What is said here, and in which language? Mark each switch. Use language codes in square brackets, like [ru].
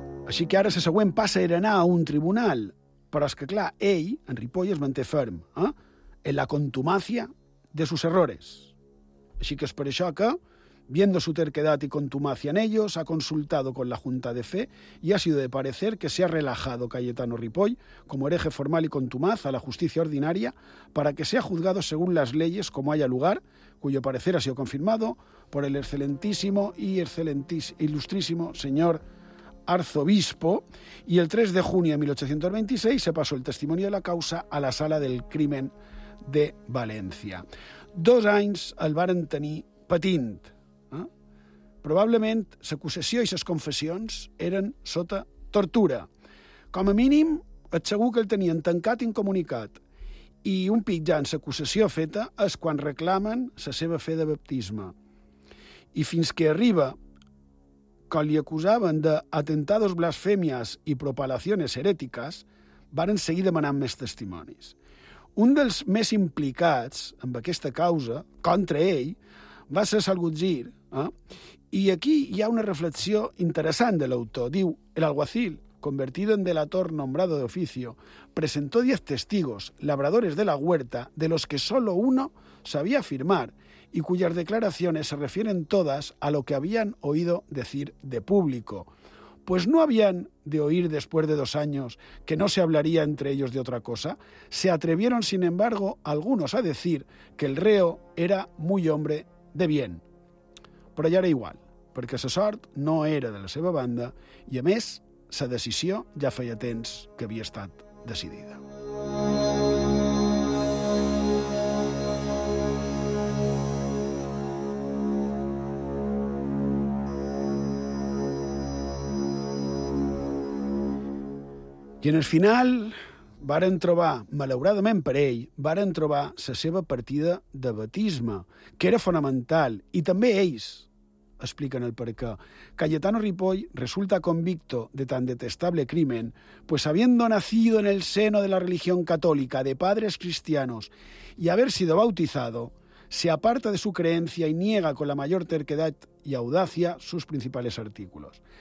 [ca] Així que ara la següent passa era anar a un tribunal, però és que, clar, ell, en Ripoll, es manté ferm en [es] la contumacia de sus errores. [ca] Així que és per això que, [es] viendo su terquedad y contumacia en ellos, ha consultado con la Junta de Fe y ha sido de parecer que se ha relajado Cayetano Ripoll como hereje formal y contumaz a la justicia ordinaria para que sea juzgado según las leyes como haya lugar, cuyo parecer ha sido confirmado por el excelentísimo y ilustrísimo señor arzobispo, y el 3 de junio de 1826 se pasó el testimonio de la causa a la sala del crimen de València. [ca] Dos anys el varen tenir patint. Probablement, l'acusació i les confessions eren sota tortura. Com a mínim, et segur que el tenien tancat i incomunicat. I un pic ja en l'acusació feta és quan reclamen la seva fe de baptisme. I fins que arriba, quan li acusaven d'atentados blasfèmies i propalaciones herètiques, varen seguir demanant més testimonis. Un dels més implicats amb aquesta causa, contra ell, va ser Salgutgir. I aquí hi ha una reflexió interessant de l'autor. Diu, [es] el alguacil, convertido en delator nombrado de oficio, presentó 10 testigos, labradores de la huerta, de los que solo uno sabía firmar y cuyas declaraciones se refieren todas a lo que habían oído decir de público. Pues no habían de oír después de 2 años que no se hablaría entre ellos de otra cosa. Se atrevieron, sin embargo, algunos a decir que el reo era muy hombre de bien. [ca] Però ja era igual, perquè la sort no era de la seva banda i, a més, la decisió ja feia temps que havia estat decidida. I en el final varen trobar, malauradament per ell, varen trobar la seva partida de baptisme, que era fonamental, i també ells expliquen el perquè. [es] Cayetano Ripoll resulta convicto de tan detestable crimen, pues habiendo nacido en el seno de la religión católica de padres cristianos y haber sido bautizado, se aparta de su creencia y niega con la mayor terquedad y audacia sus principales artículos.